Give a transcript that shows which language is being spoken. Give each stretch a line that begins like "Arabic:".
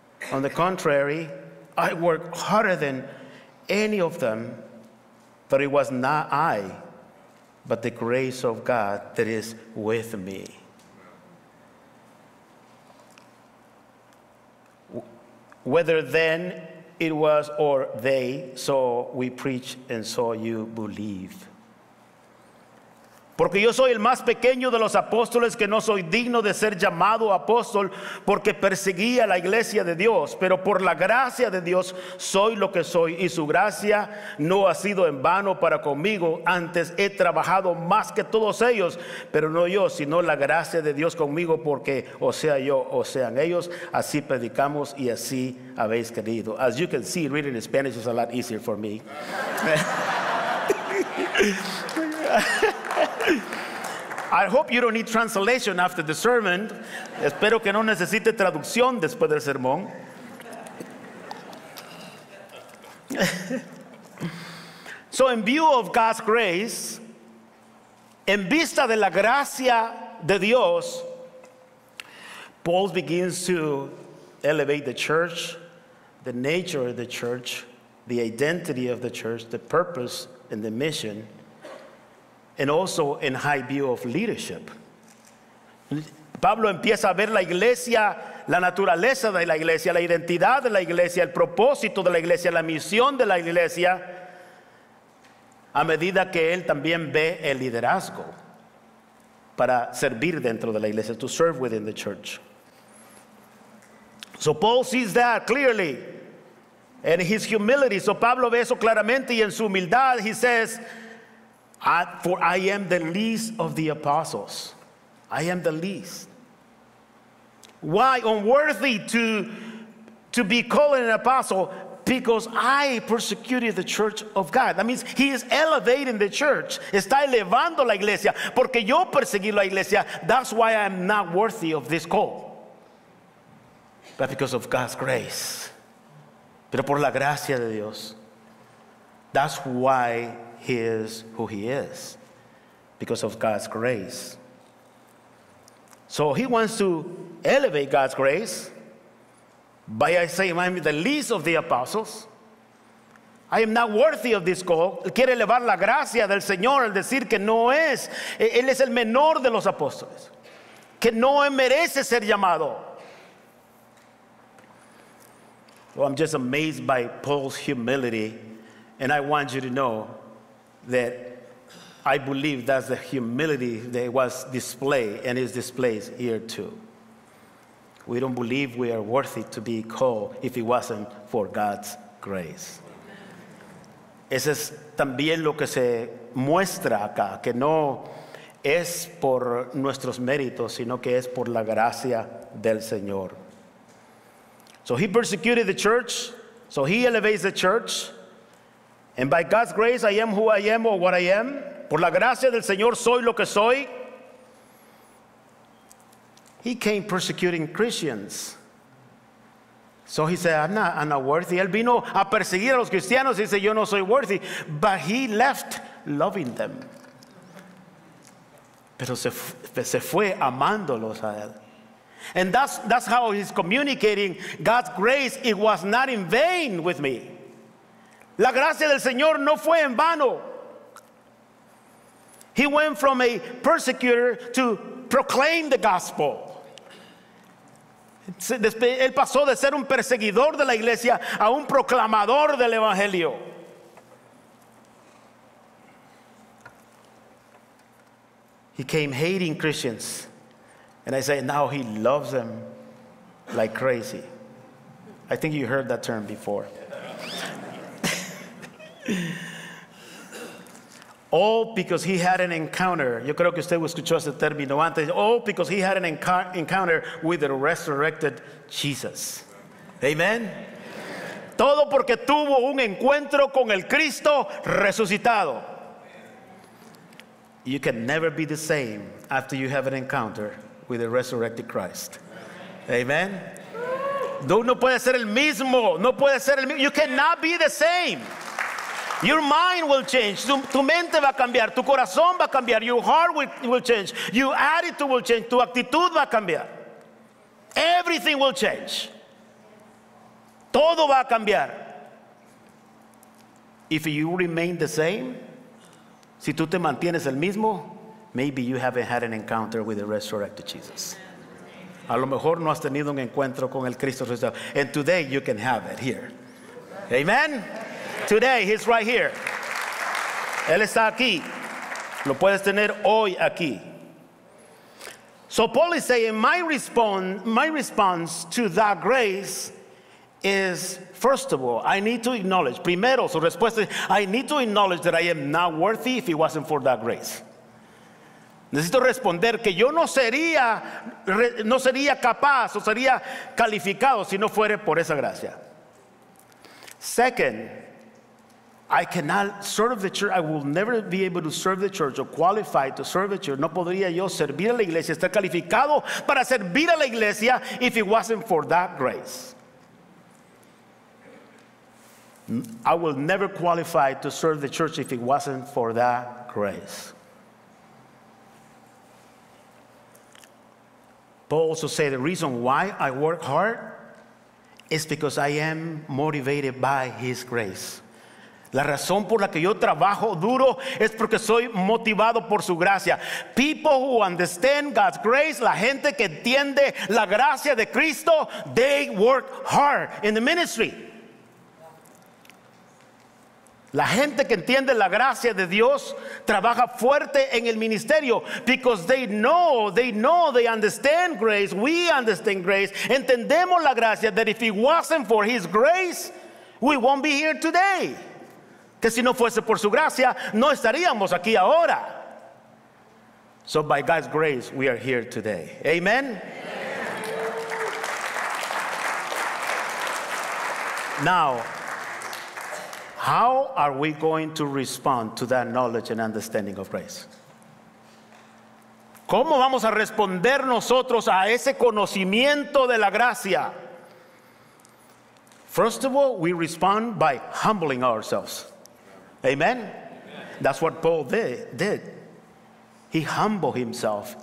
English: On the contrary, I worked harder than any of them, but it was not I, but the grace of God that is with me." Whether then it was or they saw, we preach and saw you believe.
Spanish: Porque yo soy el más pequeño de los apóstoles, que no soy digno de ser llamado apóstol, porque perseguí a la iglesia de Dios. Pero por la gracia de Dios soy lo que soy, y su gracia no ha sido en vano para conmigo. Antes he trabajado más que todos ellos, pero no yo, sino la gracia de Dios conmigo, porque o sea yo o sean ellos, así predicamos y así habéis creído.
English: As you can see, reading in Spanish is a lot easier for me. I hope you don't need translation after the sermon.
Spanish: Espero que no necesite traducción después del sermón.
English: So in view of God's grace,
Spanish: en vista de la gracia de Dios,
English: Paul begins to elevate the church, the nature of the church, the identity of the church, the purpose and the mission, and also in high view of leadership.
Spanish: Pablo empieza a ver la iglesia, la naturaleza de la iglesia, la identidad de la iglesia, el propósito de la iglesia, la misión de la iglesia, a medida que él también ve el liderazgo para servir dentro de la iglesia,
English: to serve within the church. So Paul sees that clearly in his humility. So
Spanish: Pablo ve eso claramente, y en su humildad
English: he says, "For I am the least of the apostles." I am the least. Why? Unworthy to be called an apostle, because I persecuted the church of God. That means he is elevating the church.
Spanish: Está elevando la iglesia. Porque yo perseguí la iglesia.
English: That's why I am not worthy of this call. But because of God's grace.
Spanish: Pero por la gracia de Dios.
English: That's why he is who he is, because of God's grace. So he wants to elevate God's grace by saying, "I'm the least of the apostles. I am not worthy of this call."
Spanish: Quiere elevar la gracia del Señor al decir que no es, él es el menor de los apóstoles, que no merece ser llamado.
English: Well, I'm just amazed by Paul's humility, and I want you to know that I believe that's the humility that was displayed and is displayed here too. We don't believe we are worthy to be called if it wasn't for God's grace.
Spanish: Ese es también lo que se muestra acá, que no es por nuestros méritos, sino que es por la gracia del Señor.
English: So he persecuted the church, so he elevates the church. And by God's grace, I am who I am or what I am.
Spanish: Por la gracia del Señor, soy lo que soy.
English: He came persecuting Christians. So he said, I'm not worthy.
Spanish: Él vino a perseguir a los cristianos. Y dice, yo no soy
English: worthy. But he left loving them.
Spanish: Pero se fue amándolos a él.
English: And that's how he's communicating God's grace. It was not in vain with me.
Spanish: La gracia del Señor no fue en vano.
English: He went from a persecutor to proclaim the gospel.
Spanish: Él pasó de ser un perseguidor de la iglesia a un proclamador del evangelio.
English: He came hating Christians. And I say, now he loves them like crazy. I think you heard that term before. All because he had an encounter.
Spanish: Yo creo que usted escuchó ese término antes.
English: All because he had an encounter with the resurrected Jesus. Amen.
Spanish: Todo porque tuvo un encuentro con el Cristo resucitado.
English: You can never be the same after you have an encounter with the resurrected Christ.
Spanish: Amen. No puede ser el mismo. No puede ser el mismo.
English: You cannot be the same. Your mind will change.
Spanish: Tu mente va a cambiar. Tu corazón va a cambiar.
English: Your heart will change. Your attitude will change.
Spanish: Tu actitud va a cambiar.
English: Everything will change.
Spanish: Todo va a cambiar.
English: If you remain the same,
Spanish: si tú te mantienes el mismo,
English: maybe you haven't had an encounter with the resurrected Jesus.
Spanish: A lo mejor no has tenido un encuentro con el Cristo resucitado.
English: And today you can have it here. Amen. Today he's right here.
Spanish: Él está aquí. Lo puedes tener hoy aquí.
English: So Paul is saying my response to that grace is, first of all, I need to acknowledge.
Spanish: Primero, su respuesta es,
English: I need to acknowledge that I am not worthy if it wasn't for that grace.
Spanish: Necesito responder que yo no sería capaz o sería calificado si no fuera por esa gracia.
English: Second, I cannot serve the church. I will never be able to serve the church or qualify to serve the church.
Spanish: No podría yo servir a la iglesia,
English: estar calificado para servir a la iglesia if it wasn't for that grace. I will never qualify to serve the church if it wasn't for that grace. Paul also said the reason why I work hard is because I am motivated by his grace.
Spanish: La razón por la que yo trabajo duro es porque soy motivado por su gracia.
English: People who understand God's grace,
Spanish: la gente que entiende la gracia de Cristo,
English: they work hard in the ministry.
Spanish: La gente que entiende la gracia de Dios trabaja fuerte en el ministerio
English: because they know, they understand grace, we understand grace.
Spanish: Entendemos la gracia,
English: that if it wasn't for his grace, we won't be here today.
Spanish: Que si no fuese por su gracia, no estaríamos aquí ahora.
English: So by God's grace, we are here today. Amen? Amen. Now, how are we going to respond to that knowledge and understanding of grace?
Spanish: ¿Cómo vamos a responder nosotros a ese conocimiento de la gracia?
English: First of all, we respond by humbling ourselves. Amen? Amen. That's what Paul did. He humbled himself.